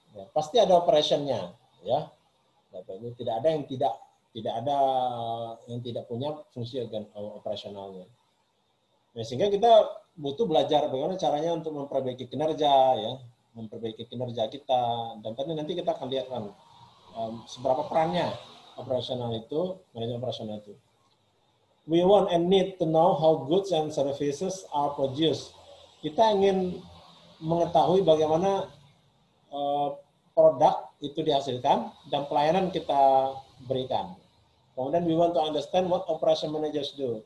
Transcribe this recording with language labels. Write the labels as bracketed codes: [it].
[id] Ya, pasti ada operationnya. Ya, Bapak Ibu, tidak ada yang tidak ada yang tidak punya fungsi operasionalnya. Nah, sehingga kita butuh belajar bagaimana caranya untuk memperbaiki kinerja ya, memperbaiki kinerja kita, dan nanti kita akan lihat kan seberapa perannya operasional itu, manajemen operasional itu. [en] We want and need to know how goods and services are produced. [id] Kita ingin mengetahui bagaimana produk itu dihasilkan dan pelayanan kita berikan. Kemudian [en] we want to understand what operation managers do.